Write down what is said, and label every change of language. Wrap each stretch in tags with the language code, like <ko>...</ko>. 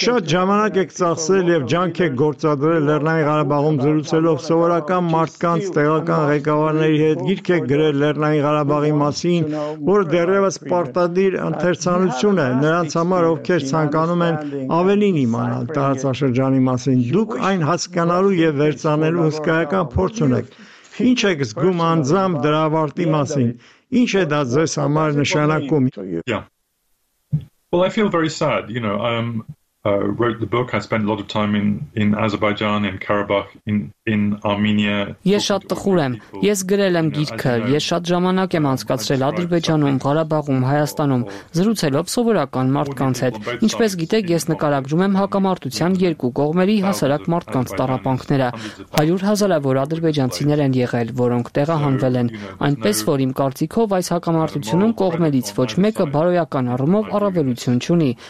<hy>շատ ժամանակ եք ծախսել և ջանք եք գործադրել Լեռնային Ղարաբաղում զրուցելով սովորական մարդկանց, տեղական ղեկավարների հետ, գիրք եք գրել Լեռնային Ղարաբաղի մասին, որը դեռևս պարտադիր ընթերցանություն է նրանց համար, ովքեր ցանկանում են ավելին իմանալ տարածաշրջանի մասին։ Դուք այն հասկանալու և վերծանելու հսկայական փորձ ունեք։ Ինչ եք զգում անձամբ դրա ավարտի մասին, ինչ է դա ձեզ համար նշանակում։</hy> <en>Well, I feel very sad, you know, I wrote the book, I spent a lot of time in Azerbaijan, in Karabakh, in Armenia.</en> <hy>Ես շատ տխուր եմ, ես գրել եմ գիրքը, ես շատ ժամանակ եմ անցկացրել Ադրբեջանում, Ղարաբաղում, Հայաստանում, զրուցելով սովորական մարդկանց հետ։ Ինչպես գիտեք, ես նկարագրում եմ հակամարտության երկու կողմերի հասարակ մարդկանց տառապանքները։ 100 հազարավոր ադրբեջանցիներ են եղել, որոնք տեղահանվել են, այնպես որ իմ կարծիքով այս հակամարտությունում կողմերից ոչ մեկը բարոյական առումով առավելություն չունի,</hy>